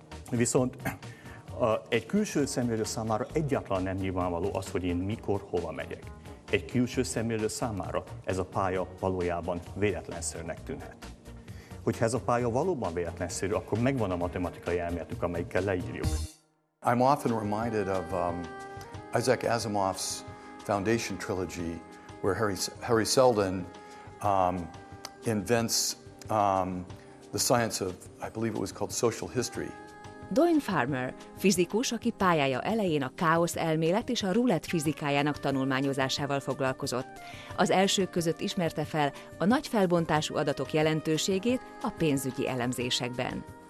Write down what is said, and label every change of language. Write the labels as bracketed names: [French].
[Hungarian] Viszont egy külső szemlélő számára egyáltalán nem nyilvánvaló az, hogy én mikor, hova megyek. Egy külső szemlélő számára ez a pálya valójában véletlenszerűnek tűnhet. Hogyha ez a pálya valóban véletlenszerű, akkor megvan a matematikai elméletük, amelyikkel leírjuk. [English] I'm often reminded of Isaac Asimov's Foundation trilogy, where Harry Seldon invents the science of, I believe it was called social history. [Hungarian] Doyne Farmer, fizikus, aki pályája elején a káosz elmélet és a roulette fizikájának tanulmányozásával foglalkozott. Az elsők között ismerte fel a nagy felbontású adatok jelentőségét a pénzügyi elemzésekben.